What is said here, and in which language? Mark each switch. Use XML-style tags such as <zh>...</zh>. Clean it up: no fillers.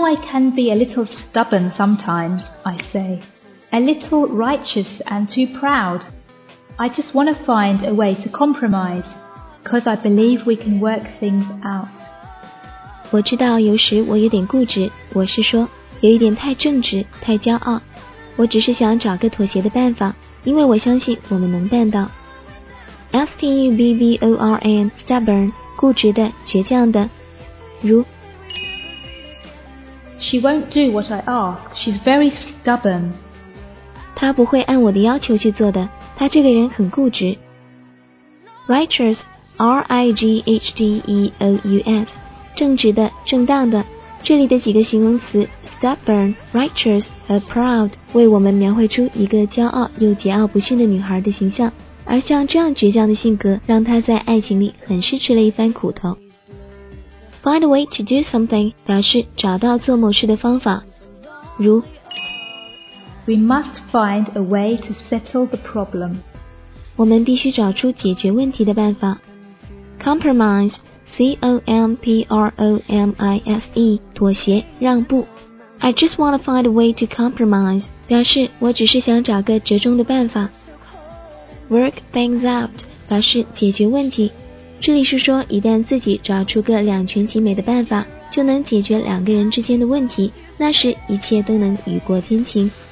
<en>Can be a little stubborn sometimes, I say. A little righteous and too proud. I just want to find a way to compromise, 'cause I believe we can work things out.</en> <zh>我知道有时我有点固执，我是说有一点太正直，太骄傲。我只是想找个妥协的办法，因为我相信我们能办到。 S-T-U-B-B-O-R-N, stubborn, 固执的，倔强的，如</zh> <en>She won't do what I ask. She's very stubborn.</en> <zh>她不会按我的要求去做的。她这个人很固执。 Righteous, R-I-G-H-D-E-O-U-S, 正直的，正当的。这里的几个形容词 stubborn, righteous, and proud 为我们描绘出一个骄傲又桀骜不驯的女孩的形象，而像这样倔强的性格让她在爱情里很是吃了一番苦头。</zh> <en>Find a way to do something</en> <zh>表示找到做某事的方法，如</zh> <en>We must find a way to settle the problem.</en> <zh>我们必须找出解决问题的办法。Compromise, C-O-M-P-R-O-M-I-S-E, 妥协、让步。</zh> <en>I just want to find a way to compromise,</en> <zh>表示我只是想找个折中的办法。 Work things out, 表示解决问题。这里是说一旦自己找出个两全其美的办法就能解决两个人之间的问题，那时一切都能雨过天晴。</zh>